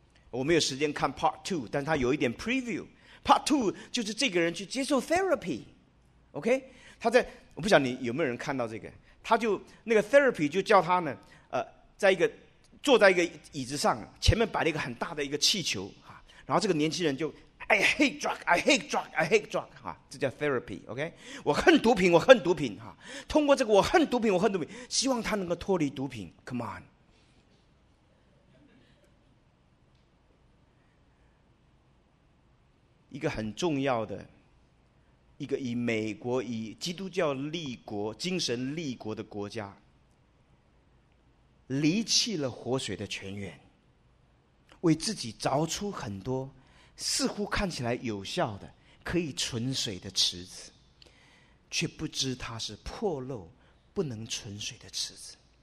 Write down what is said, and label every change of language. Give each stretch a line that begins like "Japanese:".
Chinese: 我没有时间看 part two， 但他有一点 preview。part two 就是这个人去接受 therapy， OK， 他在，我不晓得你有没有人看到这个，他就那个 therapy 就叫他呢在一个坐在一个椅子上，前面摆了一个很大的一个气球，然后这个年轻人就
English: I hate drug, I hate drug, I hate drug, 哈，这叫 therapy, OK?
Chinese: 我恨毒品，我恨毒品，哈，通过这个我恨毒品，我恨毒品，希望他能够脱离毒品， come on. 一个很重要的，一个以美国，以基督教立国，精神立国的国家，离弃了活水的泉源，为自己凿出很多似乎看起来有效的可以存水的池子，却不知它是破漏不能存水的池子。